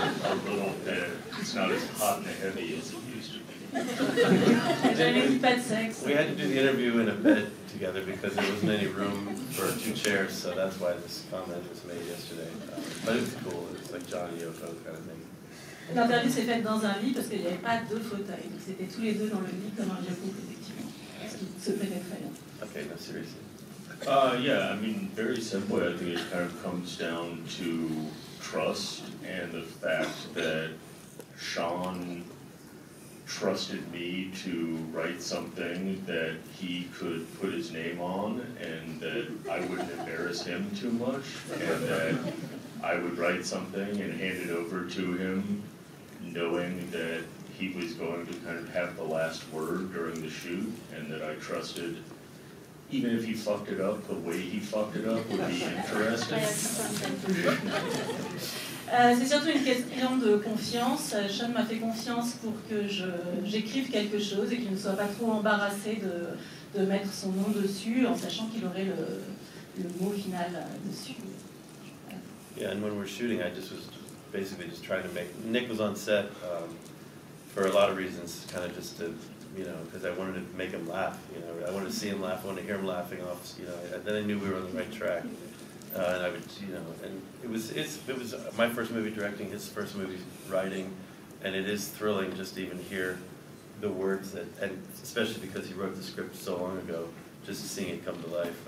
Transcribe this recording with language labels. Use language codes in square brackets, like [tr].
[en] It's not as hot and heavy as it used to be. We had to do the interview in a bed together because there wasn't any room for two chairs, so that's why this comment was made yesterday. But it was cool. It was like John Yoko kind of thing. [fr] L'interview s'est faite dans un lit parce qu'il n'y avait pas deux fauteuils. C'était tous les deux dans le lit comme un vieux couple, effectivement. [en] Okay, no, seriously. Yeah, I mean, very simply, I think it kind of comes down to trust and the fact that Sean trusted me to write something that he could put his name on and that I wouldn't embarrass him too much, and that I would write something and hand it over to him knowing that he was going to kind of have the last word during the shoot and that I trusted. Even if he fucked it up, the way he fucked it up would be interesting. [fr] C'est surtout une question de confiance. Sean m'a fait confiance pour que j'écrive quelque chose et qu'il ne soit pas trop embarrassé de mettre son nom dessus, en sachant qu'il aurait le mot final dessus. [en] Yeah, and when we're shooting, I just was basically just trying to make... Nick was on set for a lot of reasons, kind of just to... You know, because I wanted to make him laugh. You know, I wanted to see him laugh. I wanted to hear him laughing off. You know, then I knew we were on the right track. And I would, you know, and it was my first movie directing, his first movie writing, and it is thrilling just to even hear the words that, and especially because he wrote the script so long ago, just seeing it come to life.